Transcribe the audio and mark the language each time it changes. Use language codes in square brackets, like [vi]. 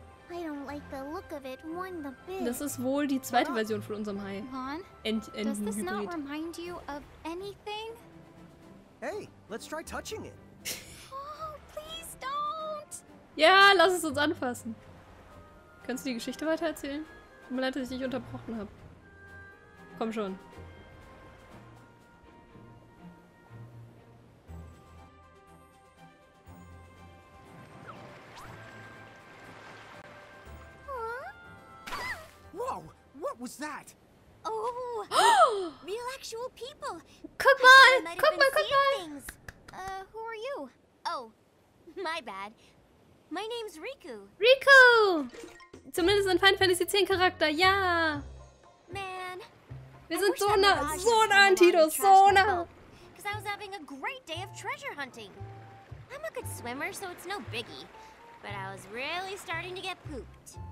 [en] I don't like the look of it one the bit. [de] Das ist wohl die zweite Version von unserem Hai. [en] Does this not remind you of anything? Hey, let's try touching it. Oh, please don't. [de] Ja, lass es uns anfassen. Kannst du die Geschichte weiter erzählen? Tut mir leid, dass ich dich unterbrochen habe. Komm schon. [en] Was that? Oh, real actual people. [de] Guck mal. [en] Who are you? Oh, my bad. My name's Riku. [de] Riku! Zumindest ein Final Fantasy 10 Charakter, ja. [en] Man. [de] Wir sind so nah an Tito, so nah. [en] Because I was having a great day of treasure hunting. I'm a good swimmer, so it's no biggie. But I was really starting to get pooped.